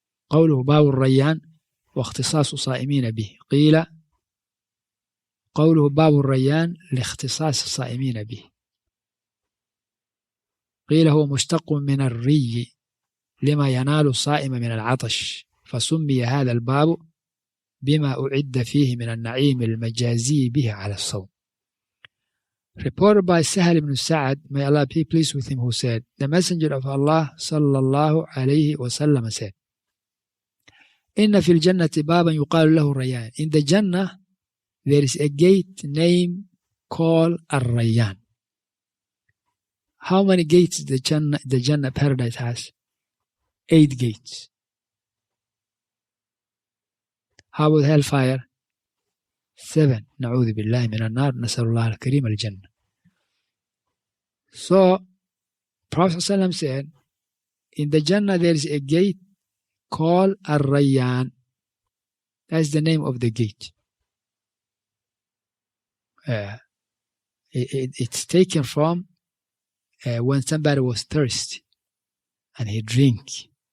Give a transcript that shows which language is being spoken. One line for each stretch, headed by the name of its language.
Arabic: قوله باب الريان واختصاص صائمين به قيل قوله باب الريان لاختصاص الصائمين به قيل هو مشتق من الري لما ينال الصائم من العطش فسمي هذا الباب بما أعد فيه من النعيم المجازي به على الصوم.
English: Reported by Sahal ibn Sa'ad, may Allah be pleased with him, who said, the Messenger of Allah sallallahu alayhi wa sallam said,
Arabic: إِنَّ فِي الْجَنَّةِ بَابًا يُقَالُ لَهُ الرَّيَّانِ.
English: In the Jannah, there is a gate named called Ar-Rayyan. How many gates the Jannah paradise has? 8 gates. How about hellfire? 7.
Arabic: نعوذ بالله من النار نسأل الله الكريم الجنة.
English: So, Prophet ﷺ said, in the Jannah there is a gate called Ar-Rayyan. That's the name of the gate. It's taken from when somebody was thirsty and he drink.